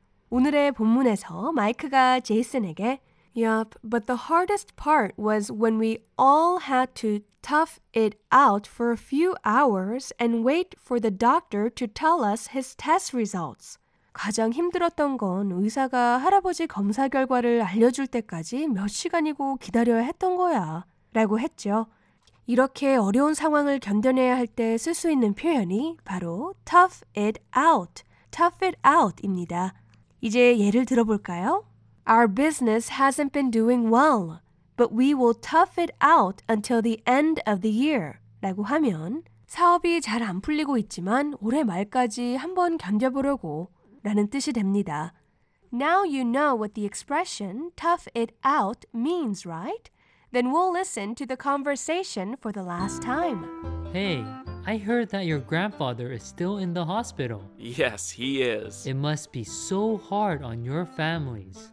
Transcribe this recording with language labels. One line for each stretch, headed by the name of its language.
Korean: 오늘의 본문에서 마이크가 제이슨에게
English: Yup, but the hardest part was when we all had to tough it out for a few hours and wait for the doctor to tell us his test results.
Korean: 가장 힘들었던 건 의사가 할아버지 검사 결과를 알려줄 때까지 몇 시간이고 기다려야 했던 거야 라고 했죠. 이렇게 어려운 상황을 견뎌내야 할 때 쓸 수 있는 표현이 바로 tough it out, tough it out입니다. 이제 예를 들어볼까요?
English: Our business hasn't been doing well, but we will tough it out until the end of the year.
Korean: 라고 하면 사업이 잘 안 풀리고 있지만 올해 말까지 한번 견뎌보려고 라는 뜻이 됩니다.
English: Now you know what the expression tough it out means, right? Then we'll listen to the conversation for the last time. Hey, I heard that your grandfather is still in the hospital. Yes, he is. It must be so hard on your families.